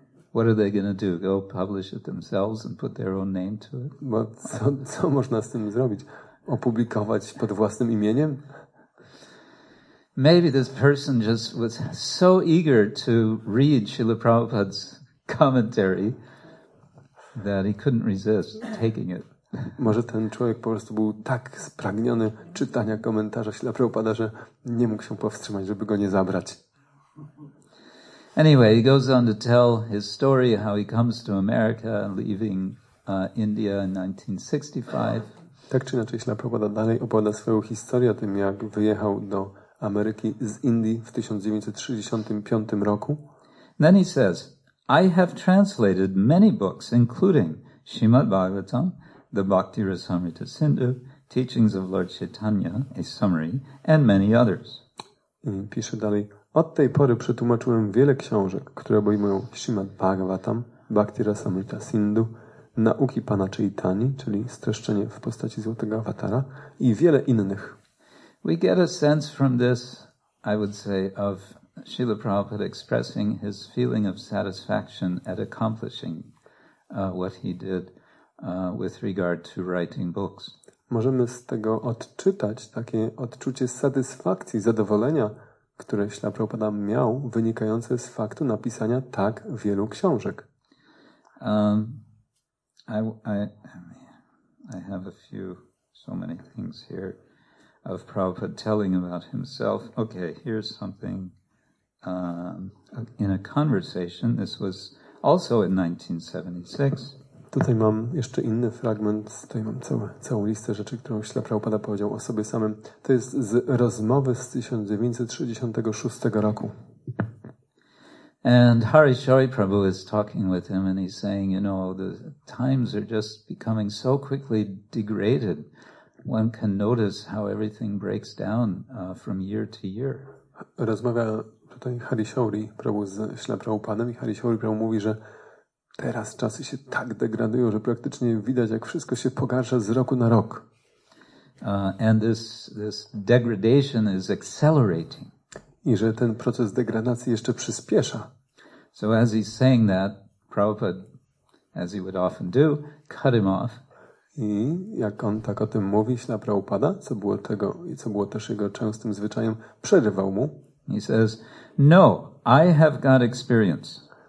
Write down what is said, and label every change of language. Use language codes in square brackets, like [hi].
[en] What are they going to do? Go publish it themselves and put their own name to it? [pl] Bo co można z tym zrobić? Opublikować pod własnym imieniem? [en] Maybe this person just was so eager to read Srila Prabhupada's commentary that he couldn't resist taking it. [pl] Może ten człowiek po prostu był tak spragniony czytania komentarza Śrīla Prabhupāda, że nie mógł się powstrzymać, żeby go nie zabrać. [en] Anyway, he goes on to tell his story, how he comes to America, leaving India in 1965. [pl] Tak czy inaczej, Śrīla Prabhupāda dalej opowiada swoją historię o tym, jak wyjechał do Ameryki z Indii w 1965 roku. [en] Then he says, I have translated many books, including Srimad Bhagavatam, the Bhakti Rasamrita Sindhu, teachings of Lord Chaitanya, a summary, and many others. [pl] I pisze dalej, od tej pory przetłumaczyłem wiele książek, które obejmują Srimad Bhagavatam, Bhakti Rasamrita Sindhu, nauki Pana Chaitany, czyli streszczenie w postaci Złotego Awatara i wiele innych. [en] We get a sense from this, I would say, of Srila Prabhupada expressing his feeling of satisfaction at accomplishing what he did with regard to writing books. [pl] Możemy z tego odczytać takie odczucie satysfakcji, zadowolenia, które Śla Prabhupada miał, wynikające z faktu napisania tak wielu książek. [en] I have a few, so many things here of Prabhupada telling about himself. Okay, here's something in a conversation. This was also in 1976. [pl] Tutaj mam jeszcze inny fragment, tutaj mam całą listę rzeczy, którą Śla Prabhupada powiedział o sobie samym. To jest z rozmowy z 1966 roku. [en] And Hari Shori Prabhu is talking with him and he's saying, you know, the times are just becoming so quickly degraded. One can notice how everything breaks down from year to year. [pl] Rozmawia tutaj Hari Shori Prabhu z Śla Prabhupadem i Hari Shori Prabhu mówi, że teraz czasy się tak degradują, że praktycznie widać, jak wszystko się pogarsza z roku na rok. [en] And this degradation is accelerating. [pl] I że ten proces degradacji jeszcze przyspiesza. [en] So as he's saying that, Prabhupada, as he would often do, cut him off. [pl] I jak on tak o tym mówi, Śla Prabhupada, co było też jego częstym zwyczajem, przerywał mu. [en] He says, no, I have got experience.